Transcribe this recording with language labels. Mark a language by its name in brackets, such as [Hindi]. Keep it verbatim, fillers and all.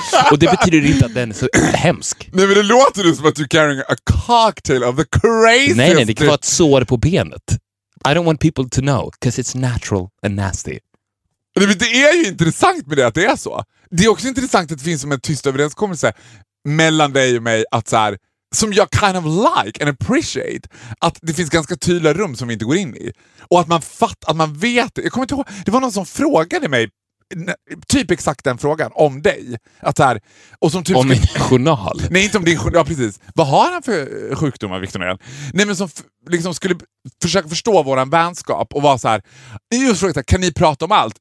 [Swedish] Och det betyder inte att den är så hemsk. Nej, men det låter ju som att du [English] carrying a cocktail of the craziest... [Swedish] Nej, nej, det kan vara ett sår på benet. [English] I don't want people to know, because it's natural and nasty. [Swedish] Nej, men det är ju intressant med det att det är så. Det är också intressant att det finns som en tyst överenskommelse mellan dig och mig att så här... Som jag [English] kind of like and appreciate. [Swedish] Att det finns ganska tydliga rum som vi inte går in i. Och att man fattar, att man vet. Jag kommer inte ihåg, det var någon som frågade mig typ exakt den frågan om dig. Att här, och som typ om min journal. Nej, inte om din journal, ja, precis. Vad har han för sjukdomar, Victor Norén? Nej, men som f- liksom skulle försöka förstå våran vänskap och vara så här, just frågat, kan ni prata om allt?